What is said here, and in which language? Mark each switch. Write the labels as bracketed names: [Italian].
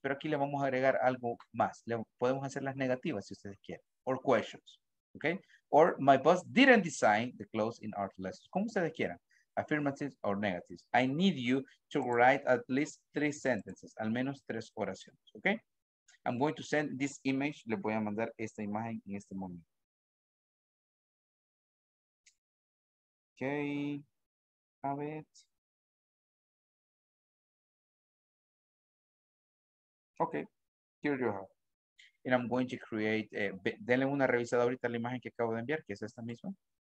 [Spanish] Pero aquí le vamos a agregar algo más. Podemos hacer las negativas si ustedes quieren. [English] Or questions. [Spanish] Okay? [English] Or my boss didn't design the clothes in art lessons. [Spanish] Como ustedes quieran. [English] Affirmatives or negatives. I need you to write at least 3 sentences. [Spanish] Al menos 3 oraciones. [English] Okay? I'm going to send this image. [Spanish] Le voy a mandar esta imagen en este momento. [English] Okay, have it. Okay, here you have. And I'm going to create, [Spanish] denle una revisada ahorita la imagen que acabo de enviar, que es esta misma.